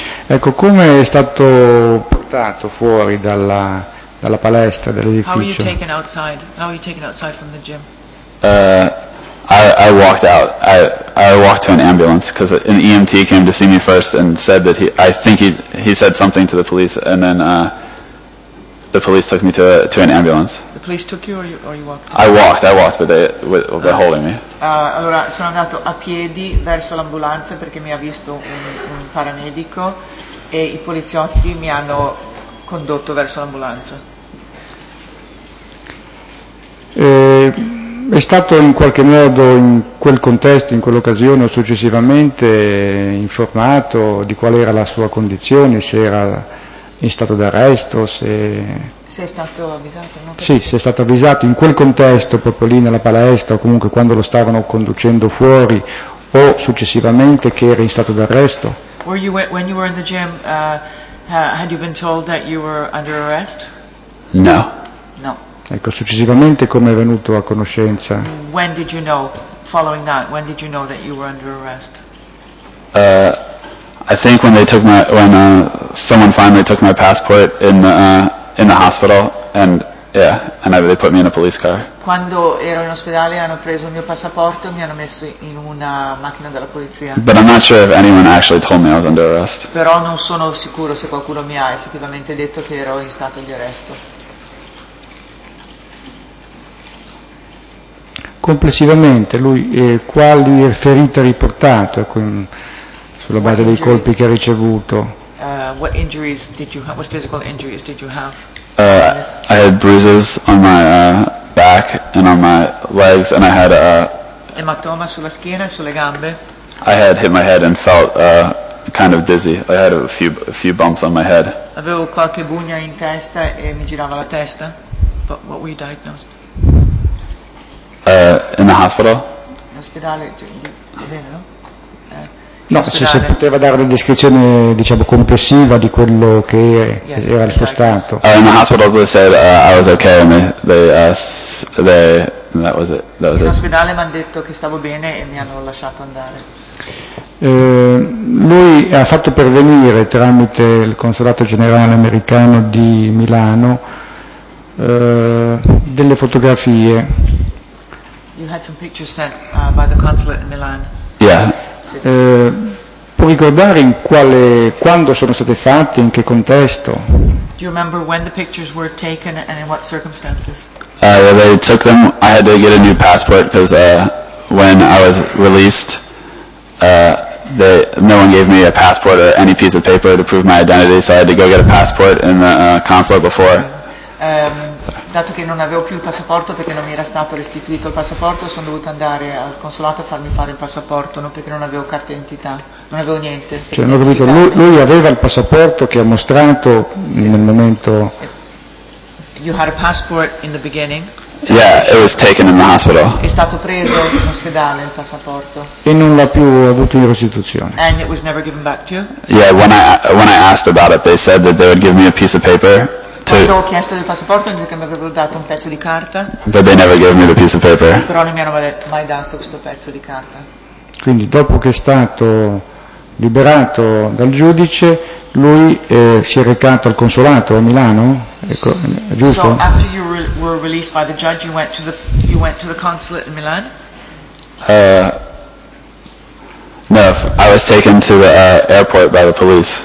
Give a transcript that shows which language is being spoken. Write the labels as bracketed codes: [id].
[it] Ecco, come è stato portato fuori dalla palestra, dell'edificio? [en] How were you taken outside? How were you taken outside from the gym? I walked out. I walked to an ambulance because an EMT came to see me first and said that he said something to the police, and then the police took me to an ambulance. The police took you, or you walked? I walked, but they're holding me. [it] Allora sono andato a piedi verso l'ambulanza perché mi ha visto un paramedico e i poliziotti mi hanno condotto verso l'ambulanza. È stato in qualche modo in quel contesto, in quell'occasione o successivamente informato di qual era la sua condizione, se era in stato d'arresto, se... Se è stato avvisato, no? Sì, se è stato avvisato in quel contesto, proprio lì nella palestra, o comunque quando lo stavano conducendo fuori, o successivamente che era in stato d'arresto. [en] Were you, when you were in the gym, had you been told that you were under arrest? No. [it] No. Ecco, successivamente come è venuto a conoscenza? [en] When did you know, following that, when did you know that you were under arrest? I think when someone finally took my passport in the hospital, and they put me in a police car. [it] Quando ero in ospedale hanno preso il mio passaporto e mi hanno messo in una macchina della polizia. [en] But I'm not sure if anyone actually told me I was under arrest. [it] Però non sono sicuro se qualcuno mi ha effettivamente detto che ero in stato di arresto. Complessivamente, lui quali ferite ha riportato sulla base dei colpi che ha ricevuto? [en] What injuries did you have? What physical injuries did you have? I had bruises on my back and on my legs, and I had a. [it] Ematoma sulla schiena e sulle gambe. [en] I had hit my head and felt kind of dizzy. I had a few bumps on my head. [it] Avevo qualche bugna in testa e mi girava la testa. [en] But what were you diagnosed? In the hospital? [it] L'ospedale, bene, no? No, se poteva dare una descrizione, diciamo, complessiva di quello che era il suo stato. [en] In the hospital they said I was okay, and that was it. [it] In ospedale mi hanno detto che stavo bene e mi hanno lasciato andare. Lui ha fatto pervenire tramite il consolato generale americano di Milano delle fotografie. [en] You had some pictures sent by the consulate in Milan. Yeah. [it] Può ricordare quando sono state fatte, in che contesto? [en] Do you remember when the pictures were taken and in what circumstances? They took them. I had to get a new passport because when I was released, no one gave me a passport or any piece of paper to prove my identity, so I had to go get a passport in the consulate before. [it] dato che non avevo più il passaporto, perché non mi era stato restituito il passaporto, sono dovuta andare al consolato a farmi fare il passaporto, non perché non avevo carta d'identità, non avevo niente. Cioè, non ho capito, lui aveva il passaporto che ha mostrato nel momento... [en] You had a passport in the beginning. Yeah, it was taken in the hospital. [it] È stato preso in ospedale il passaporto. E non l'ha più avuto in restituzione. [en] And it was never given back to you? Yeah, when I asked about it, they said that they would give me a piece of paper. [it] Quando ho chiesto del passaporto, hanno detto che mi avrebbero dato un pezzo di carta. [en] But they never gave me the piece of paper. [it] Però non mi hanno mai dato questo pezzo di carta. Quindi dopo che è stato liberato dal giudice, lui si è recato al consolato a Milano, ecco, giusto? [en] So after you were released by the judge, you went to the consulate in Milan? No, I was taken to the airport by the police.